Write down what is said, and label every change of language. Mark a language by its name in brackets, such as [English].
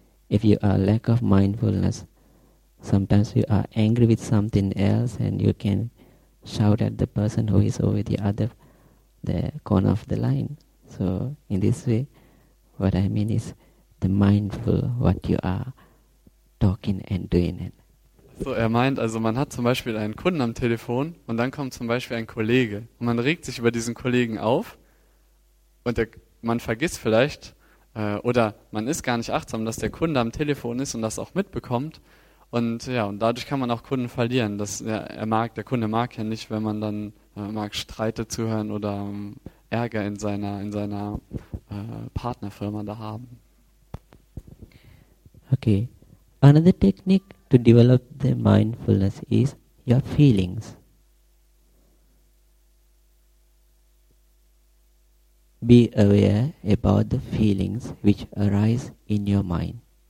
[English] If you are lack of mindfulness, sometimes you are angry with something else and you can shout at the person who is over the corner of the line. So in this way, what I mean is the mindful what you are talking and doing. [German] So er meint, also man hat zum Beispiel einen Kunden am Telefon und dann kommt zum Beispiel ein Kollege und man regt sich über diesen Kollegen auf und man vergisst vielleicht oder man ist gar nicht achtsam, dass der Kunde am Telefon ist und das auch mitbekommt. Und ja, und dadurch kann man auch Kunden verlieren. Das, ja, der Kunde mag ja nicht, wenn man dann mag Streite zu hören oder Ärger in seiner Partnerfirma da haben. Okay. [English] Another technique to develop the mindfulness is your feelings. Be aware about the feelings which arise in your mind.